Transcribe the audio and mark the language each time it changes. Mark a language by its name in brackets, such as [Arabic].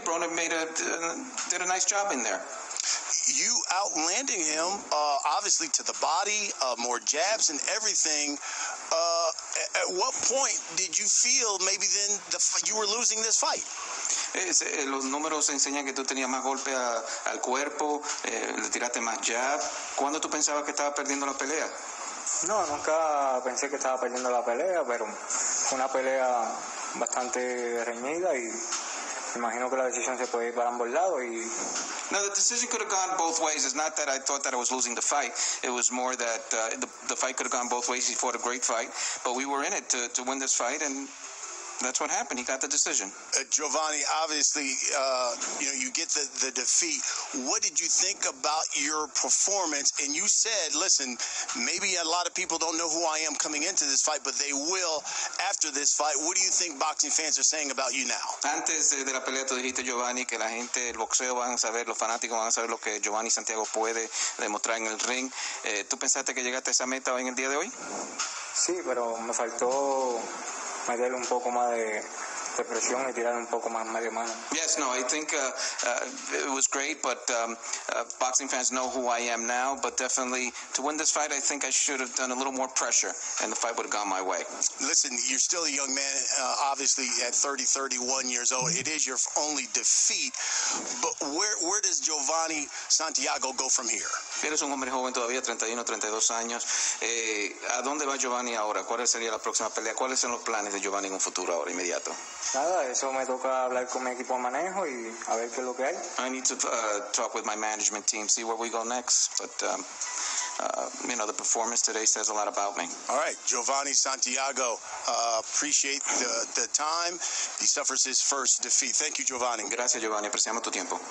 [English] Broner made did a nice job in there. You outlanding him, obviously, to the body, more jabs and everything. At what point did you feel maybe then you were losing this fight? [Spanish] Los números enseñan que tú tenías más golpe al cuerpo, le tiraste más jab. ¿Cuándo tú pensabas que estabas perdiendo la pelea? No, nunca pensé que estaba perdiendo la pelea, pero una pelea bastante reñida y... Imagino que la decisión se puede ir para ambos lados y... [English] No, the decision could have gone both ways. It's not that I thought that I was losing the fight. It was more that the fight could have gone both ways. He fought a great fight, but we were in it to win this fight, and that's what happened. He got the decision. Jovanie, obviously, you get the defeat. What did you think about your performance? And you said, listen, maybe a lot of people don't know who I am coming into this fight, but they will after this fight. What do you think boxing fans are saying about you now? [Spanish] Antes de la pelea, tú dijiste, Jovanie, que la gente, el boxeo van a saber, los fanáticos van a saber lo que Jovanie Santiago puede demostrar en el ring. ¿Tú pensaste que llegaste a esa meta en el día de hoy? Sí, pero me faltó... meterle un poco más de presión y tirar un poco más medio mano. [English] Yes, no, I think it was great, but boxing fans know who I am now, but definitely to win this fight, I think I should have done a little more pressure and the fight would have gone my way. Listen, you're still a young man, obviously at 30, 31 years old. It is your only defeat, but where does Jovanie Santiago go from here? [Spanish] Eres un hombre joven todavía, 31, 32 años. ¿A dónde va Jovanie ahora? ¿Cuál sería la próxima pelea? ¿Cuáles son los planes de Jovanie en un futuro ahora inmediato? Nada, eso me toca hablar con mi equipo de manejo y a ver qué es lo que hay. [English] I need to talk with my management team, see where we go next. But, the performance today says a lot about me. All right, Jovanie Santiago, appreciate the time. He suffers his first defeat. Thank you, Jovanie. [Spanish] Gracias, Jovanie. Apreciamos tu tiempo.